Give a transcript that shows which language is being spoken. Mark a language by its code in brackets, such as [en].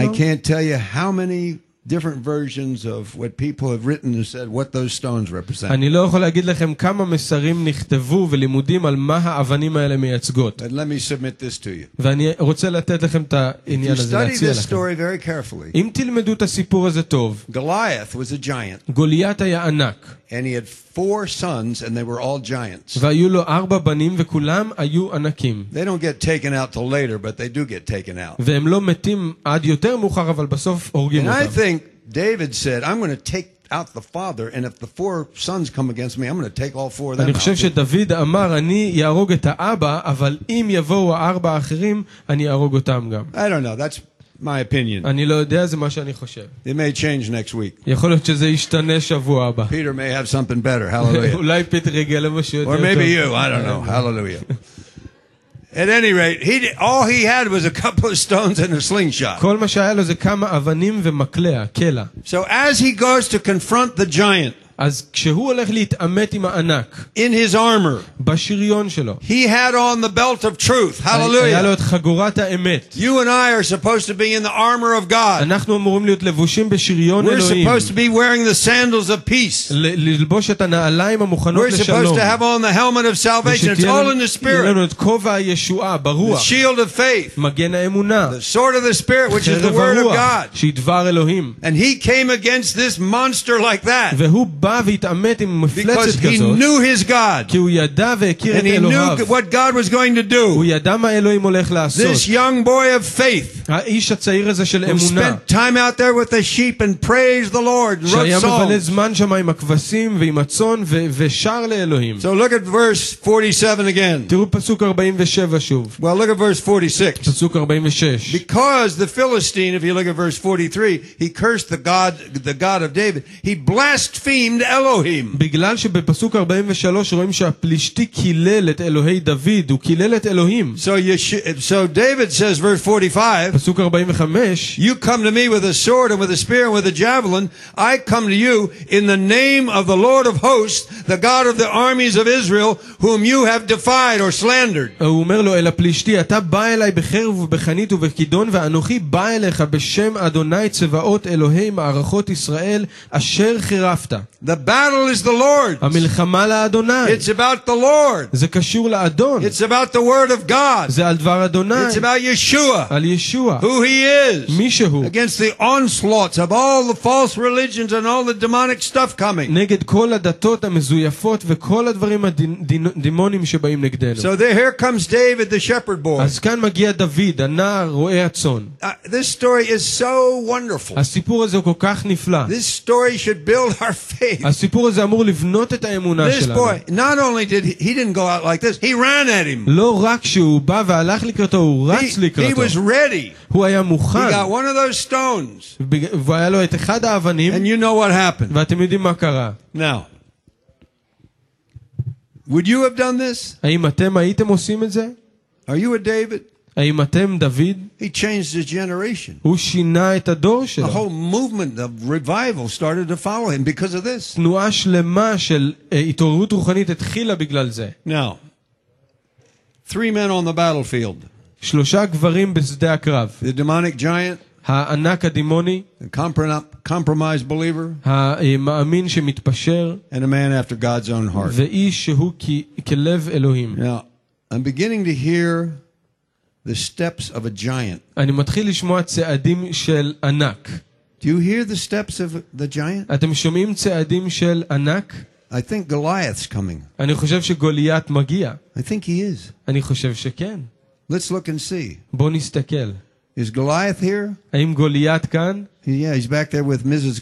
[en] I can't tell you how many different versions of what people have written and said what those stones represent. [he] אני לא יכול להגיד לכם כמה מסרים נכתבו ולימודים על מה האבנים האלה מייצגות. [en] And let me submit this to you. [he] ואני רוצה לתת לכם את העניין הזה להציע לכם. [en] Study this story very carefully. [he] אם תלמדו את הסיפור הזה טוב. [en] Goliath was a giant. [he] גוליית היה ענק. [en] And he had four sons and they were all giants. [he] והיו לו ארבע בנים וכולם היו ענקים. [en] They don't get taken out till later but they do get taken out. [he] והם לא מתים עד יותר מאוחר אבל בסוף הורגים אותם. [en] And I think David said, I'm going to take out the father and if the four sons come against me I'm going to take all four of them. [he] אני חושב שדוד אמר אני יהרוג את האבא אבל אם יבואו ארבע אחרים אני יהרוג אותם גם. [en] I don't know, that's my opinion. [he] אני לא יודע, זה מה שאני חושב. [en] It may change next week. [he] יכול להיות שזה ישתנה שבוע הבא. [en] Peter may have something better. Hallelujah. [he] אולי פיטר יגיע למשהו יותר טוב. [en] Or maybe you, I don't know. Hallelujah. At any rate, all he had was a couple of stones and a slingshot. [he] כל מה שהיה לו זה כמה אבנים ומקלע, קלע. [en] So as he goes to confront the giant, [he] אז כשהוא הולך להתעמת עם הענק, [en] in his armor, [he] בשריון שלו, [en] he had on the belt of truth. Hallelujah. [he] היה לו את חגורת האמת. [en] You and I are supposed to be in the armor of God. [he] אנחנו אמורים להיות לבושים בשריון אלוהים. [en] We're supposed to be wearing the sandals of peace. [he] ללבוש את הנעליים המוכנות לשלום. [en] We're supposed to have on the helmet of salvation. It's all in the spirit. [he] יש לנו את כובע הישועה ברוח. [en] The shield of faith. [he] מגן האמונה. [en] The sword of the spirit, which is the word of God. [he] שדבר אלוהים. [en] And he came against this monster like that. [he] והתעמת עם מפלצת כזאת. [en] Because he knew his God. [he] כי הוא ידע והכיר את אלוהיו. [en] And he knew what God was going to do. [he] הוא ידע מה אלוהים הולך לעשות. [en] This young boy of faith. [he] האיש הצעיר הזה של אמונה. [en] Who spent time out there with the sheep and praised the Lord. [he] שהיה מבלה זמן שם עם הכבשים ועם הצאן ושר לאלוהים. [en] So look at verse 47 again. [he] תראו פסוק 47 שוב. [en] Well look at verse 46. [he] פסוק 46. [en] Because the Philistine, if you look at verse 43, he cursed the God of David. He blasphemed blamed Elohim. [he] בגלל שבפסוק 43 רואים שהפלישתי קילל את אלוהי דוד, הוא קילל את אלוהים. [en] So David says verse 45. [he] פסוק 45. [en] You come to me with a sword and with a spear and with a javelin. I come to you in the name of the Lord of hosts, the God of the armies of Israel, whom you have defied or slandered. [he] הוא אומר לו אל הפלישתי, אתה בא אליי בחרב ובחנית ובכידון, ואנוכי בא אליך בשם אדוני צבאות אלוהי מערכות ישראל אשר חירפת. [en] The battle is the Lord. [he] המלחמה לאדוני. [en] It's about the Lord. [he] זה קשור לאדון. [en] It's about the word of God. [he] זה על דבר אדוני. [en] It's about Yeshua. [he] על ישוע. [en] Who he is. [he] מי שהוא. [en] Against the onslaughts of all the false religions and all the demonic stuff coming. [he] נגד כל הדתות המזויפות וכל הדברים הדמונים שבאים נגדנו. [en] So here comes David the shepherd boy. [he] אז כאן מגיע דוד, הנער רועה הצאן. [en] This story is so wonderful. [he] הסיפור הזה כל כך נפלא. [en] This story should build our faith. [he] הסיפור הזה אמור לבנות את האמונה שלנו. [en] This boy, not only did he didn't go out like this, he ran at him. [he] לא רק שהוא בא והלך לקראתו, הוא רץ לקראתו. [en] He was ready. [he] הוא היה מוכן. [en] He got one of those stones. [he] והיה לו את אחד האבנים. [en] And you know what happened. [he] ואתם יודעים מה קרה. [en] Now, would you have done this? [he] האם אתם הייתם עושים את זה? [en] Are you a David? [he] האם אתם דוד? [en] He changed his generation. [he] הוא שינה את הדור שלו. [en] The whole movement of revival started to follow him because of this. [he] תנועה שלמה של התעוררות רוחנית התחילה בגלל זה. [en] Now, three men on the battlefield. [he] שלושה גברים בשדה הקרב. [en] The demonic giant. [he] הענק הדימוני. [en] The compromised believer. [he] המאמין שמתפשר. [en] And a man after God's own heart. [he] ואיש שהוא כלב אלוהים. [en] Now, I'm beginning to hear the steps of a giant. [he] אני מתחיל לשמוע צעדים של ענק. [en] Do you hear the steps of the giant? [he] אתם שומעים צעדים של ענק? [en] I think Goliath's coming. [he] אני חושב שגוליית מגיע. [en] I think he is. [he] אני חושב שכן. [en] Let's look and see. [he] בוא נסתכל. [en] Is Goliath here? [he] האם גוליית כאן? [en] Yeah, he's back there with Mrs.